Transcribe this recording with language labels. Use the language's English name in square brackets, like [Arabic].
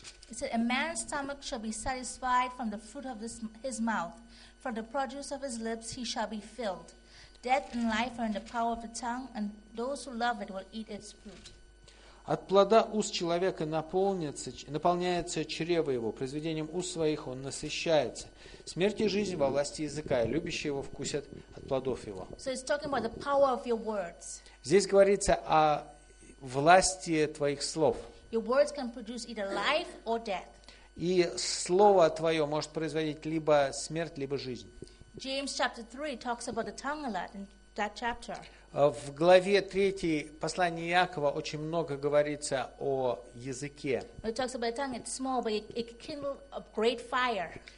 [English] It says, "A man's stomach shall be satisfied from the fruit of his mouth; from the produce of his lips he shall be filled. Death and life are in the power of the tongue, and those who love it will eat its fruit." [Russian] От плода уст человека наполняется чрево его, произведением уст своих он насыщается. Смерть и жизнь во власти языка, и любящие его вкусят от плодов его. [English] So it's talking about the power of your words. [Russian] Здесь говорится о власти твоих слов. [English] Your words can produce either life or death. [Russian] И слово твое может производить либо смерть, либо жизнь. [English] James chapter 3 talks about the tongue a lot in that chapter. [Russian] В главе 3 послания Иакова очень много говорится о языке. [English] It talks about tongue, it's small, but it can kindle a great fire.